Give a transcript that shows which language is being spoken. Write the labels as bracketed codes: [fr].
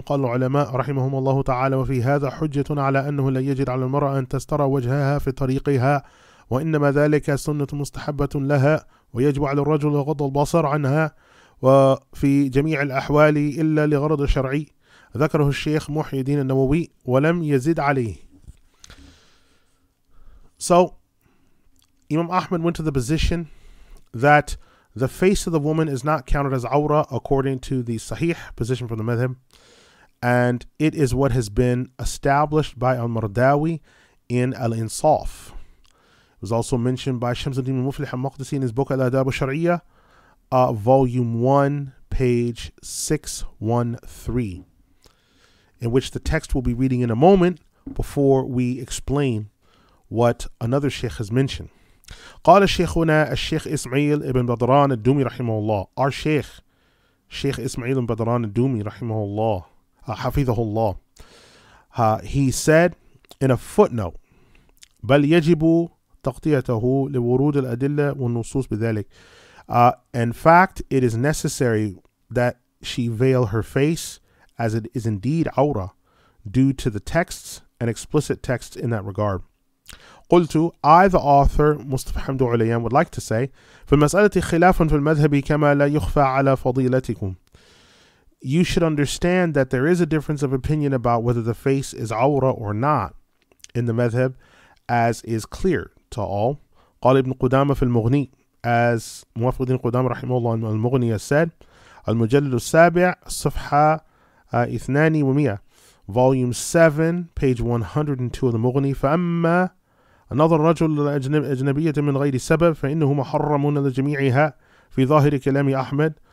[ar] قال العلماء رحمهم الله تعالى وفي هذا حجة على أنه لا يجد على المرأة أن تسترى وجهها في طريقها وإنما ذلك سنة مستحبة لها ويجب على الرجل غض البصر عنها وفي جميع الأحوال إلا لغرض شرعي. ذكره الشيخ محي الدين النووي ولم يزد عليه. [en] So Imam Ahmad went to the position that the face of the woman is not counted as awra according to the sahih position from the madhab, and it is what has been established by al-Mardawi in al-Insaf. It was also mentioned by Shamsuddin Muflih al-Maqdisi in his book al-Adab al-Shar'iyyah, volume 1, page 613, in which the text we'll be reading in a moment before we explain what another sheikh has mentioned. [ar] قال شيخنا الشيخ إسماعيل ابن بدران الدومي رحمه الله. [en] Our Sheikh, Sheikh Ismail ibn Badran al-Dumi [ar] رحمه الله, حفظه الله. [en] He said in a footnote, [ar] بل يجب تغطيته لورود الأدلة والنصوص بذلك. [en] In fact, it is necessary that she veil her face, as it is indeed awra, due to the texts and explicit texts in that regard. [ar] قلت [en] I, the author, Mustafa Hamdu Ulayyan, would like to say, [ar] في المسألة خلاف في المذهب كما لا يخفى على فضيلتكم. [en] You should understand that there is a difference of opinion about whether the face is awra or not in the madhab, as is clear to all. [ar] قال ابن قدامة في المغني, as موفق الدين قدامة رحمه الله المغني said, المجلد السابع صفحة 200, [en] volume 7, page 102 of the [ar] مغني. فأما نظر الرجل الأجنبية من غير سبب فإنه محرم لجميعها في ظاهر كلام أحمد.